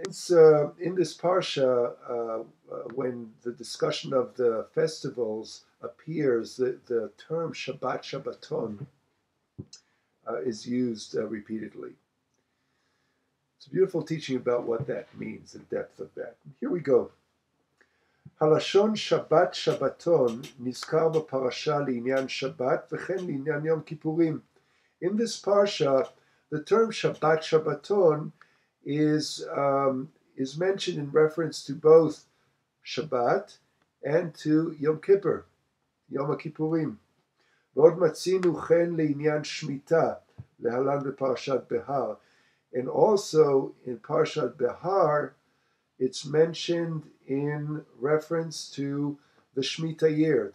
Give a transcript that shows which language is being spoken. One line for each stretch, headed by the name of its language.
English: It's in this parsha when the discussion of the festivals appears. The term Shabbat Shabbaton is used repeatedly. It's a beautiful teaching about what that means, the depth of that. Here we go.
Hebrew: הלשון שבת שבתון נזכר בפרשה לעניין שבת וכן לעניין יום כיפורים.
English: In this parsha, the term שבת שבתון is mentioned in reference to both שבת and to יום כיפור, יום הכיפורים.
Hebrew: ועוד מצינו כן לעניין שמיטה, להלן בפרשת בהר.
English: And also in פרשת בהר, it's mentioned in reference to the Shemitah year.